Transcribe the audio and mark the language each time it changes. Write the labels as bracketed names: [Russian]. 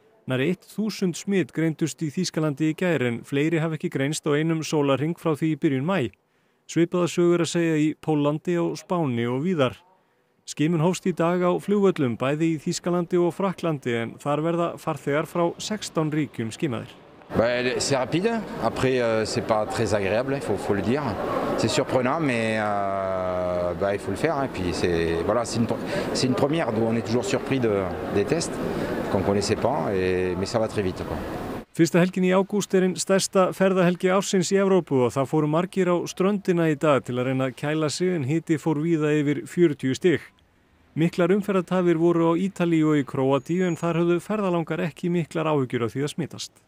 [Icelandic] Nær 1.000 smit greindust í Þýskalandi í gær en fleiri hafa ekki greinst á einum sólarhring frá því í byrjun maí. Svipaða sögur að segja í Póllandi og Spáni og víðar. Skimun hófst í dag á flugvöllum bæði í Þýskalandi og Frakklandi en þar verða farþegar frá 16 ríkjum skimaðir. [French] C'est rapide. Après, c'est pas très agréable, faut le dire. C'est surprenant, mais il faut le faire. Et puis c'est une première, d'où on est toujours surpris des tests qu'on connaissait pas, mais ça va très vite. [Icelandic] Fyrsta helgin í ágúst er ein stærsta ferðahelgi ársins í Evrópu og það fóru margir á ströndina í dag til að reyna að kæla sig en hiti fór víða yfir 40 stig. Miklar umferðartafir voru á Ítalíu og í Króatíu en þar höfðu ferðalangar ekki miklar áhyggjur af því að smitast.